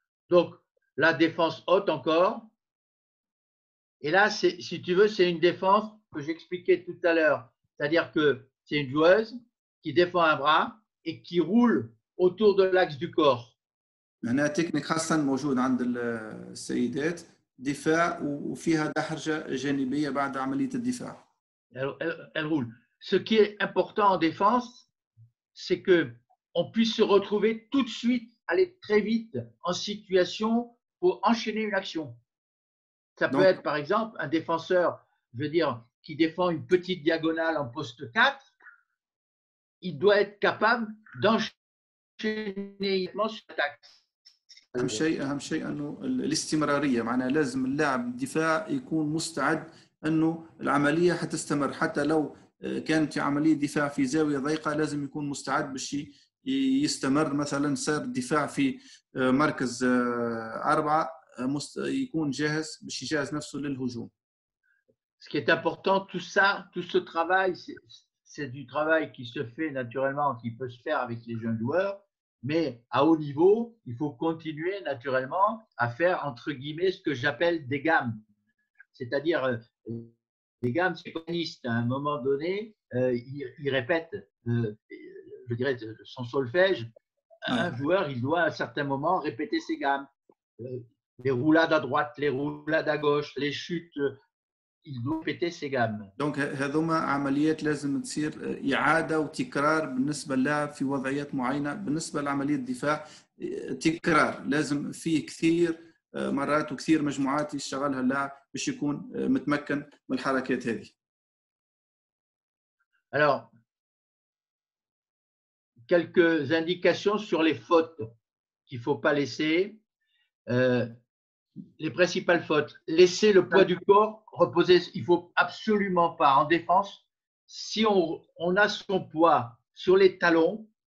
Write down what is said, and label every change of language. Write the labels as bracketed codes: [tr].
[fr] Donc la défense haute encore. Et là, si tu veux, c'est une défense que j'expliquais tout à l'heure. C'est-à-dire que c'est une joueuse qui défend un bras et qui roule autour de l'axe du corps. [ar] هنا تكنيك خاصة موجود عند السيدات دفاع وفيها دحرجة جانبية بعد عملية الدفاع. [fr] Elle roule. Ce qui est important en défense, c'est que on puisse se retrouver tout de suite, aller très vite en situation pour enchaîner une action. Ça peut être par exemple un défenseur, je veux dire, qui défend une petite diagonale en poste 4, il doit être capable d'enchaîner immédiatement sur l'attaque. [ar] اهم شيء انه الاستمراريه معناها لازم اللاعب الدفاع يكون مستعد انه العمليه حتستمر حتى لو كانت عمليه دفاع في زاويه ضيقه لازم يكون مستعد باش يستمر مثلا صار الدفاع في مركز اربعه يكون جاهز باش يجهز نفسه للهجوم. [fr] Ce qui est important, tout ça, tout ce travail, c'est du travail qui se fait naturellement, qui peut se faire avec les jeunes joueurs. Mais à haut niveau, il faut continuer naturellement à faire entre guillemets ce que j'appelle des gammes. C'est-à-dire, des gammes, c'est pianiste. À un moment donné, il répète, je dirais, son solfège. Un joueur, il doit à un certain moment répéter ses gammes. Les roulades à droite, les roulades à gauche, les chutes. Il doit répéter ses gammes. [ar] Donc, هذوما عمليات لازم تصير إعادة وتكرار بالنسبة للاعب في وضعيات معينة. بالنسبة لعملية الدفاع تكرار لازم فيه كثير مرات وكثير مجموعات يشتغلها اللاعب باش يكون متمكن من الحركات هذه. [fr] Alors, quelques indications sur les fautes qu'il faut pas laisser. Les principales fautes, laisser le poids du corps reposer, il ne faut absolument pas. En défense, si on a son poids sur les talons,